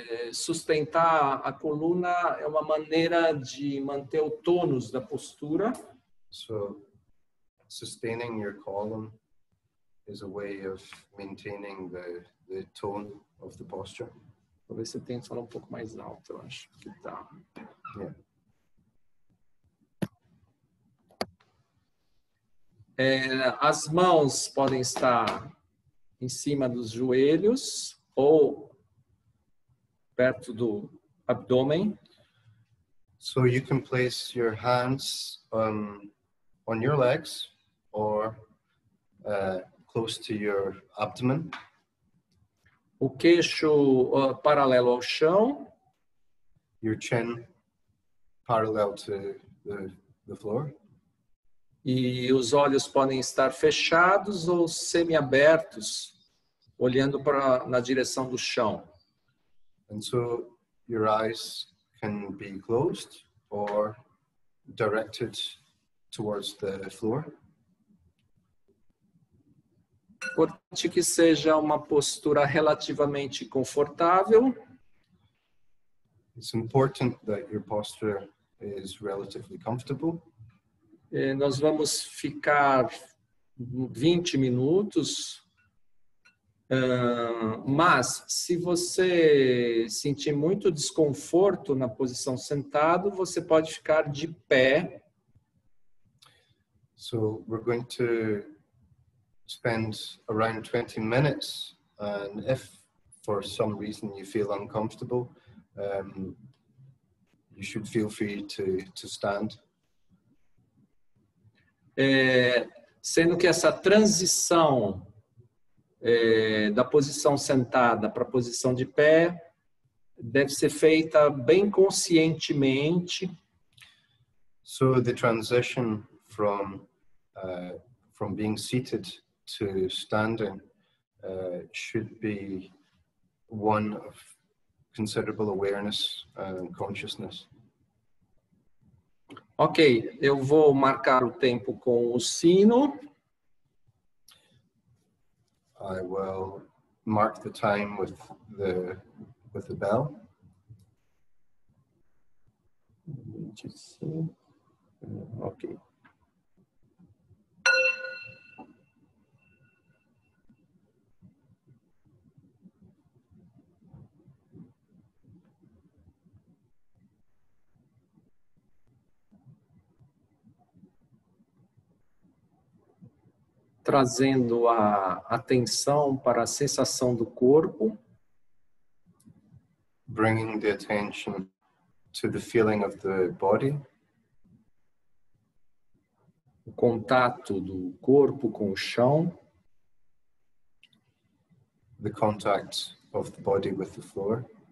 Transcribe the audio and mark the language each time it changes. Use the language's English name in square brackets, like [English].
[Portuguese] Sustentar a coluna é uma maneira de manter o tônus da postura. [English] So, sustaining your column is a way of maintaining the tone of the posture. [Portuguese] Talvez você tenha que falar um pouco mais alto, eu acho que tá. Yeah. As mãos podem estar em cima dos joelhos ou perto do abdômen. [English] So you can place your hands on your legs or close to your abdomen. [Portuguese] O queixo paralelo ao chão. [English] Your chin parallel to the floor. [Portuguese] E os olhos podem estar fechados ou semiabertos, olhando na direção do chão. [English] And so your eyes can be closed or directed towards the floor. [Portuguese] Importante que seja uma postura relativamente confortável. [English] It's important that your posture is relatively comfortable. [Portuguese] E nós vamos ficar 20 minutos. Mas se você sentir muito desconforto na posição sentado, você pode ficar de pé. [English] So we're going to spend around 20 minutes, and if for some reason you feel uncomfortable, you should feel free to stand. [Portuguese] Sendo que essa transição da posição sentada para a posição de pé deve ser feita bem conscientemente. [English] So the transition from being seated to standing should be one of considerable awareness and consciousness. [Portuguese] Ok, eu vou marcar o tempo com o sino. [English] I will mark the time with the bell. Ok. [Portuguese] Trazendo a atenção para a sensação do corpo. [English] Bringing the attention to the feeling of the body. [Portuguese] O contato do corpo com o chão. [English] The contact of the body with the floor.